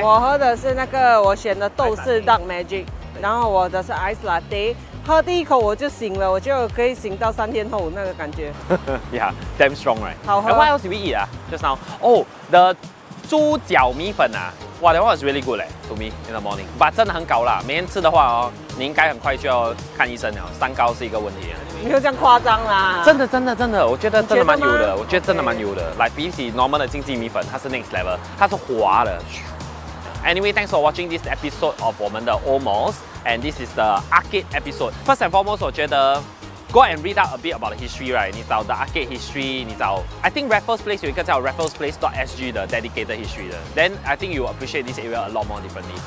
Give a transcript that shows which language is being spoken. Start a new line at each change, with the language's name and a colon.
Chinese: 我喝的是那个我选的豆式 dark magic。然后我的是 ice latte， 喝第一口我就醒了，我就可以醒到三天后那个感觉。
English: yeah, damn strong, right?
Chinese: 好喝。
English: And what else did we eat? Just now. Oh, the 猪脚米粉啊，哇 ，that one was really good, to me in the morning.
Chinese: But 真的很高啦，每天吃的话哦，你应该很快就要看医生了，三高是一个问题。没有这样夸张啦。真的，我觉得真的蛮油的，我觉得真的蛮油的。 Okay. Like 比起 normal 的经济米粉，它是
English: next level，
Chinese: 它是滑的。
English: Anyway, thanks for watching this episode of
Chinese: 我们的
English: Almost, and this is the arcade episode. First and foremost,
Chinese: 我觉得
English: go and read out a bit about the history, right? 你找 the arcade history, 你找 I think Raffles Place
Chinese: 有一个叫
English: RafflesPlace.sg 的 dedicated history 的 Then I think you appreciate this area a lot more differently.